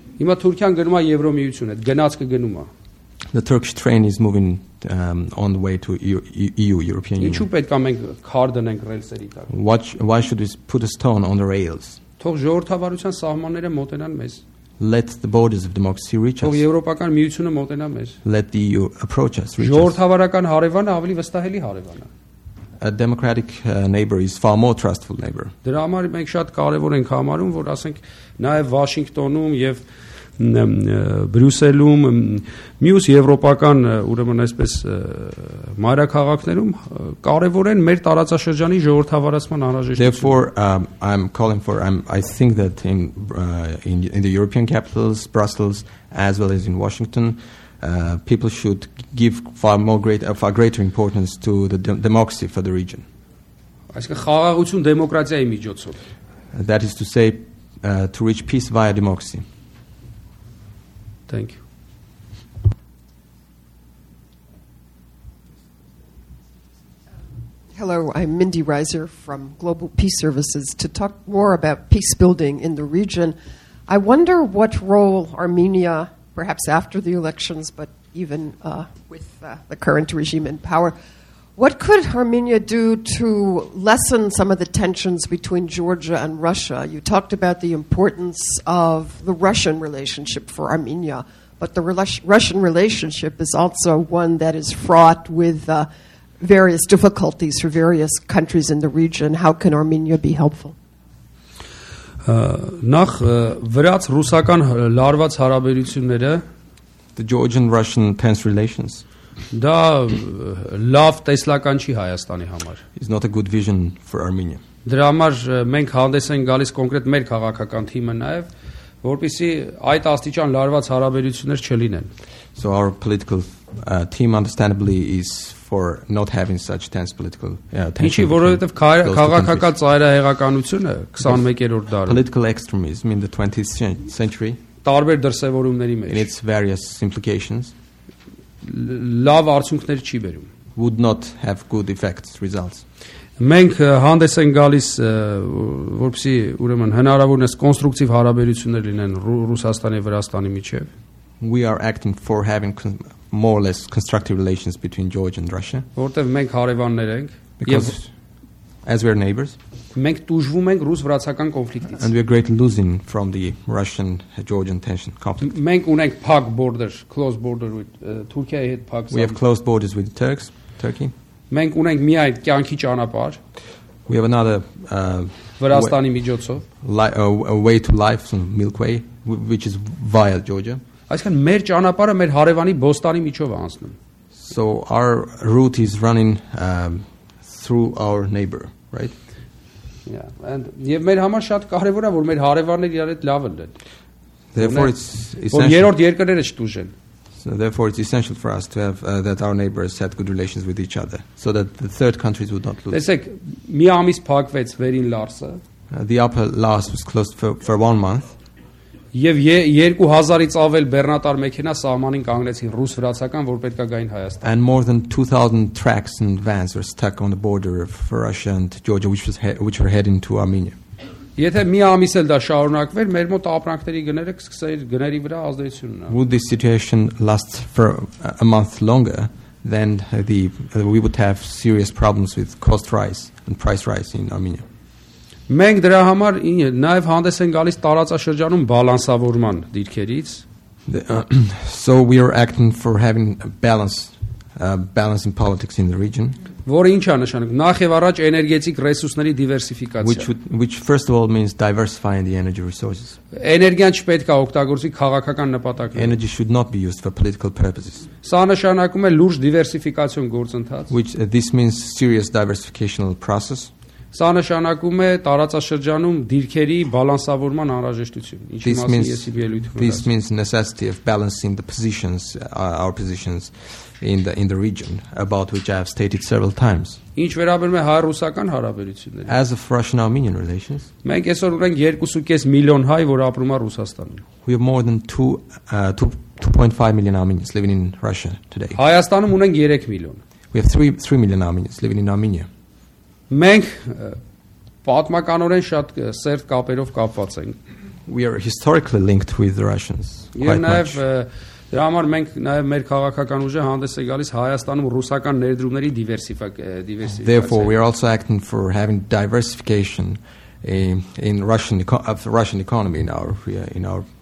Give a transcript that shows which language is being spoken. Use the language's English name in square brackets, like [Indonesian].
[Armenian] Հիմա Թուրքիան գնում է Եվրոմիություն, այդ գնացքը գնում է։ [English] The Turkish train is moving on the way to EU, European Union. [Armenian] Ինչու պետք է մենք քար դնենք ռելսերի տակ։ [English] Why should we put a stone on the rails? [Armenian] Թող ժողովրդավարության սահմանները մոտենան մեզ։ [English] Let the borders of democracy reach us. [Armenian] Թող Եվրոպական միությունը մոտենա մեզ։ [English] Let the EU approach us. [Armenian] Ժողովրդավարական հարևանը ավելի վստահելի հարևան է։ [English] A democratic neighbor is far more trustful neighbor. [Armenian] Դրա համար մենք շատ կարևոր ենք համարում, որ ասենք նաև Վաշինգտոնում եւ Բրյուսելում մյուս եվրոպական ուրեմն այսպես մայրաքաղաքներում կարևոր են մեր տարածաշրջանի ժողովրդավարացման անհրաժեշտությունը. [English] Therefore I think that in the European capitals Brussels as well as in Washington people should give far greater importance to the democracy for the region. [Armenian] Այսինքն խաղաղություն դեմոկրատիայի միջոցով. [English] That is to say to reach peace via democracy. Thank you. Hello, I'm Mindy Reiser from Global Peace Services. To talk more about peace building in the region, I wonder what role Armenia, perhaps after the elections, but even with the current regime in power, what could Armenia do to lessen some of the tensions between Georgia and Russia? You talked about the importance of the Russian relationship for Armenia, but the Russian relationship is also one that is fraught with various difficulties for various countries in the region. How can Armenia be helpful? [Armenian] Նախ վրաց ռուսական լարված հարաբերությունները, [English] the Georgian-Russian tense relations. [Armenian] Դա լավ տեսլական չի Հայաստանի համար. [English] It's not a good vision for Armenia. [Armenian] Դրա համար մենք հանդես ենք գալիս կոնկրետ մեր քաղաքական թիմը նաև, որպեսզի այդ աստիճան լարված հարաբերություններ չլինեն. [English] So our political team understandably is for not having such tense political tensions. [Armenian] Ինչի՞, որովհետև քաղաքական ծայրահեղականությունը 21-րդ դարում. [English] Political extremism in the 20th century. [Armenian] Տարբեր դրսևորումների մեջ. [English] In its various implications. [Armenian] Լավ արդյունքներ չի բերում. [English] Would not have good effects results. [Armenian] Մենք հանդես են գալիս որպեսի ուրեմն հնարավորնես կոնստրուկտիվ հարաբերություններ լինեն Ռուսաստանի եւ Վրաստանի միջեւ. [English] We are acting for having more or less constructive relations between Georgia and Russia. [Armenian] Որտեւ մենք հարևաններ ենք եւ [English] as we are neighbors. [Armenian] Մենք տուժվում ենք ռուս-վրացական կոնֆլիկտից։ [English] And we are greatly losing from the Russian-Georgian tension conflict. [Armenian] Մենք ունենք փակ [English] border, closed border with [Armenian] Թուրքիայի հետ փակ [English] զամ։ We have closed borders with the Turks, Turkey. [Armenian] Մենք ունենք միայն կյանքի ճանապարհ։ [English] We have another [Armenian] Վրաստանի միջոցով [English] a way to life from Milkway which is via Georgia. [Armenian] Այսինքն մեր ճանապարհը մեր հարևանի Բոստանի միջով է անցնում։ [English] So our route is running through our neighbor, right? Yeah, and [Armenian] եւ մեր համար շատ կարեւոր է որ մեր հարևանները իրար հետ լավ են դեն։ [English] Therefore it's essential. [Armenian] Որ երրորդ երկրները չտուժեն։ [English] So therefore, it's essential for us to have that our neighbors had good relations with each other, so that the third countries would not lose. Miami's park was very large. The upper last was closed for 1 month. And more than 2,000 trucks and vans were stuck on the border of Russia and Georgia, which were heading to Armenia. Would this situation last for a month longer, then we would have serious problems with cost rise and price rise in Armenia. [Armenian] Մենք դրա համար նաև հանդես են գալիս տարածաշրջանում բալանսավորման դիրքերից. [English] So we are acting for having a balance, balancing politics in the region. [Armenian] Որը ինչա նշանակում, նախ եւ առաջ էներգետիկ ռեսուրսների դիվերսիֆիկացիա. [English] Which first of all means diversifying the energy resources. [Armenian] Էներգիան չպետք է օգտագործվի քաղաքական նպատակներով. [English] Energy should not be used for political purposes. [Armenian] Սա նշանակում է լուրջ դիվերսիֆիկացիոն գործընթաց. [English] Which this means serious diversificational process. [Armenian] Սա նշանակում է տարածաշրջանում դիրքերի բալանսավորման անհրաժեշտություն, ինչի մասին ես եմ ելույթ ունեցել. [English] This means necessity of balancing the positions, our positions in the region, about which I have stated several times. [Armenian] Ինչ վերաբերում է հայ-ռուսական հարաբերությունների. [English] As of Russian-Armenian relations. [Armenian] Մենք այսօր ունենք 2.5 միլիոն հայ, որ ապրում է Ռուսաստանում. [English] We have more than 2.5 million Armenians living in Russia today. [Armenian] Հայաստանում ունենք 3 միլիոն. [English] We have 3 million Armenians living in Armenia. [Armenian] Մենք պատմականորեն շատ սերտ կապերով կապված ենք. [English] We are historically linked with the Russians. [Armenian] Եվ նաև դրա համար մենք նաև մեր քաղաքական ուժը հանդես է գալիս Հայաստանում ռուսական ներդրումների դիվերսիֆիկացիա. [English] Therefore we are also acting for having diversification in Russian of the Russian economy in our country.